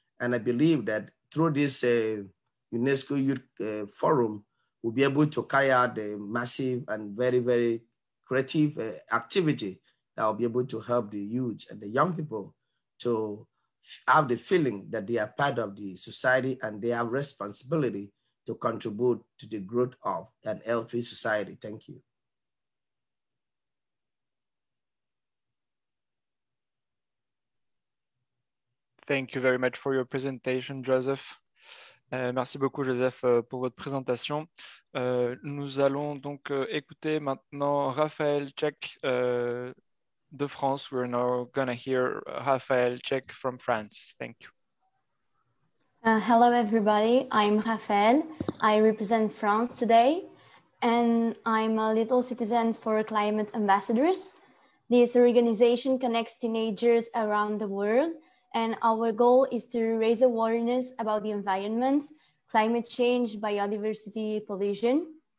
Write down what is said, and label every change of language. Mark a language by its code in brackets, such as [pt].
[en] And I believe that through this UNESCO Youth Forum, we'll be able to carry out a massive and very, very creative activity that will be able to help the youth and the young people to have the feeling that they are part of the society and they have responsibility to contribute to the growth of an healthy society. Thank you. Thank you very much for your presentation, Joseph. [fr] Merci beaucoup, Joseph, pour votre présentation. Nous allons donc écouter maintenant Raphaël Tchèque de France. [en] We're now going to hear Raphaël Tchèque from France. Thank you. Hello, everybody. I'm Raphaël. I represent France today, and I'm a Little Citizens for Climate Ambassadors. This organization connects teenagers around the world, and our goal is to raise awareness about the environment, climate change, biodiversity pollution.